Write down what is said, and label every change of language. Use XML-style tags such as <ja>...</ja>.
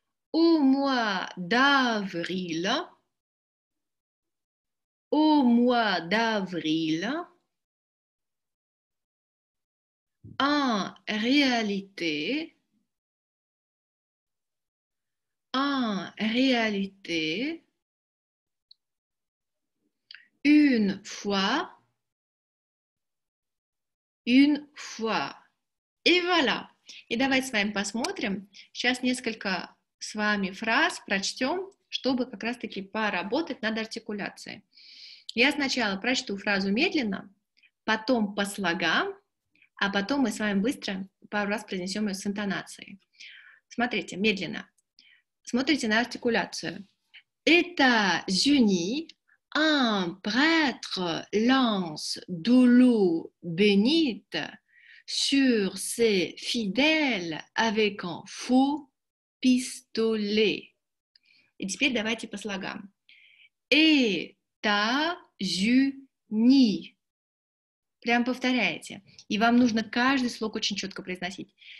<fr>au mois d'avril, en réalité, en réalité, une fois, et voilà.</fr> <ru>И давайте с вами посмотрим. Сейчас несколько с вами фраз прочтем, чтобы как раз-таки поработать над артикуляцией. Я сначала прочту фразу медленно, потом по слогам, а потом мы с вами быстро пару раз произнесем ее с интонацией. Смотрите, медленно. Смотрите на артикуляцию.</ru> <fr>États-Unis, un prêtre lance de l'eau bénite sur ses fidèles avec un faux pistolet. Et</fr> <ru>теперь давайте по слогам.</ru> <fr>États-Unis.</fr> <ru>Прям повторяете. И вам нужно каждый слог очень четко произносить.</ru>